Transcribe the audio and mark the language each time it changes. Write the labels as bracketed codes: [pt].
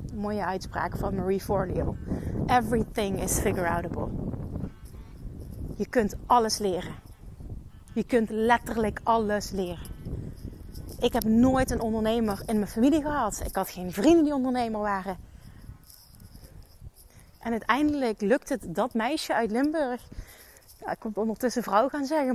[nl] Een mooie uitspraak van Marie Forleo. [en] Everything is figure-outable. [nl] Je kunt alles leren. Je kunt letterlijk alles leren. Ik heb nooit een ondernemer in mijn familie gehad. Ik had geen vrienden die ondernemer waren. En uiteindelijk lukt het dat meisje uit Limburg. Ja, ik kon ondertussen vrouw gaan zeggen.